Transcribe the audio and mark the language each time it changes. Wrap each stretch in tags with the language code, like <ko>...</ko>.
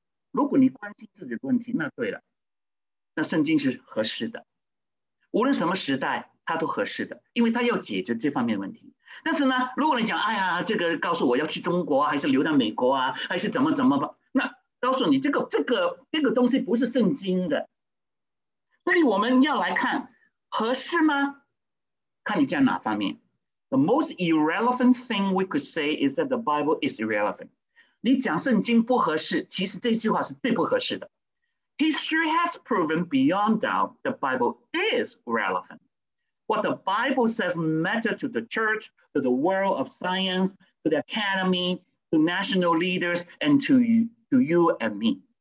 <zh>如果你关心自己的问题，那对了，那圣经是合适的，无论什么时代它都合适的，因为它要解决这方面的问题。但是呢，如果你讲，哎呀，这个告诉我要去中国、还是留在美国啊，还是怎么怎么吧，那告诉你这个东西不是圣经的。所以我们要来看合适吗？看你在哪方面。</zh> <en>The most irrelevant thing we could say is that the Bible is irrelevant.</en> <zh>你讲圣经不合适，其实这句话是最不合适的。</zh> <en>History has proven beyond doubt the Bible is relevant. What the Bible says matters to the church, to the world of science, to the academy, to national leaders, and to you and me.</en>